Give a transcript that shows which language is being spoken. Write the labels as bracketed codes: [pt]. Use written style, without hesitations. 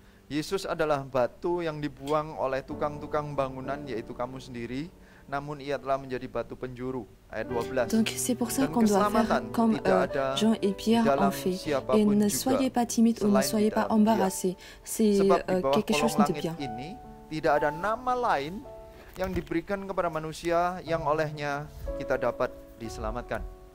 [id] Yesus adalah batu yang dibuang oleh tukang-tukang bangunan, yaitu kamu sendiri, namun ia telah menjadi batu penjuru. Ayat 12. [fr] Donc c'est pour ça qu'on doit faire comme Jean et Pierre ont fait. Et ne soyez pas timide ou ne soyez pas embarrassé. C'est quelque chose de bien. [id] Ini, tidak ada nama lain yang diberikan kepada manusia yang olehnya kita dapat diselamatkan.